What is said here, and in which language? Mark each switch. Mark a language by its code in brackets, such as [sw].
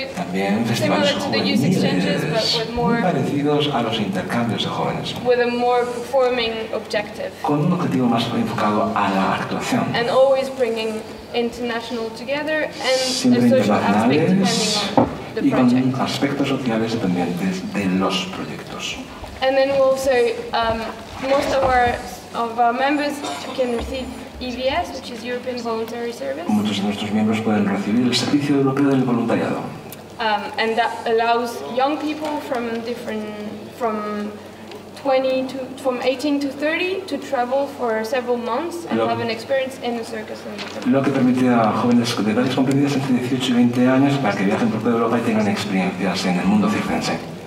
[es] También festivales juveniles, parecidos a los intercambios de jóvenes. [en] With a more performing objective. [es] Con un objetivo más enfocado a la actuación. [en] And always bringing international together and a social aspect depending on the project. [es] Y con aspectos sociales dependientes de los proyectos. [en] And then we also, most of our members can receive EVS, which is European Voluntary Service. [es] Muchos de nuestros miembros pueden recibir el Servicio Europeo del Voluntariado. [en] And that allows young people from 18 to 30 to travel for several months and have an experience in the circus. [es] Lo que permite a jóvenes de edades comprendidas entre 18 y 20 años para que viajen por toda Europa y tengan experiencias en el mundo circense.